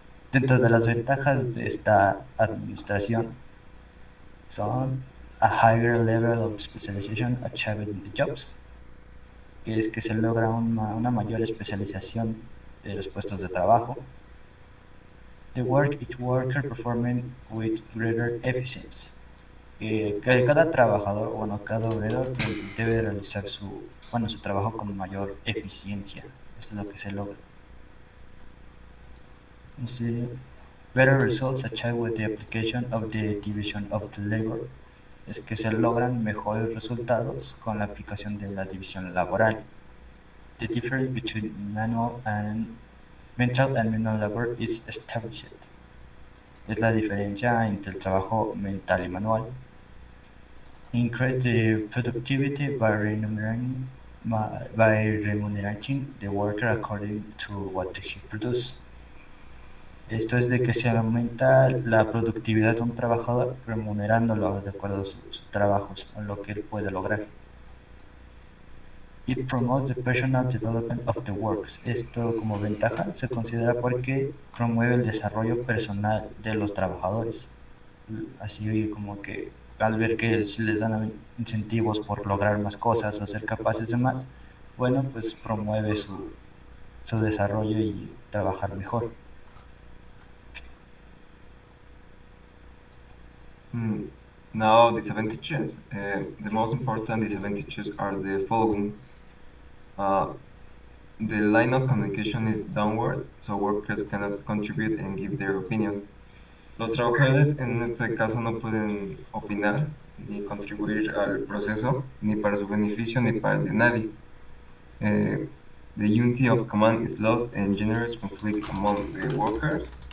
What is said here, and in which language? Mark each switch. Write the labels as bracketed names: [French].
[Spanish] Dentro de las ventajas de esta administración son [English] a higher level of specialization achieved in the jobs, [Spanish] que es que se logra una mayor especialización de los puestos de trabajo. [English] The work each worker performing with greater efficiency. [Spanish] Cada trabajador, bueno, cada obrero debe realizar su, bueno, su trabajo con mayor eficiencia. Eso es lo que se logra. [English] Este, better results achieved with the application of the division of the labor. [Spanish] Es que se logran mejores resultados con la aplicación de la división laboral. [English] The difference between manual and mental and manual labor is established. [Spanish] Es la diferencia entre el trabajo mental y manual. [English] Increase the productivity by remunerating the worker according to what he produces. [Spanish] Esto es de que se aumenta la productividad de un trabajador remunerándolo de acuerdo a sus trabajos, a lo que él puede lograr. [English] It promotes the personal development of the workers. [Spanish] Esto como ventaja se considera porque promueve el desarrollo personal de los trabajadores. Así como que al ver que les dan incentivos por lograr más cosas o ser capaces de más, bueno, pues promueve su desarrollo y trabajar mejor. [English] Now, disadvantages. The most important disadvantages are the following. The line of communication is downward, so workers cannot contribute and give their opinion. [Spanish] Los trabajadores en este caso no pueden opinar ni contribuir al proceso, ni para su beneficio, ni para de nadie. [English] The unity of command is lost and generates conflict among the workers.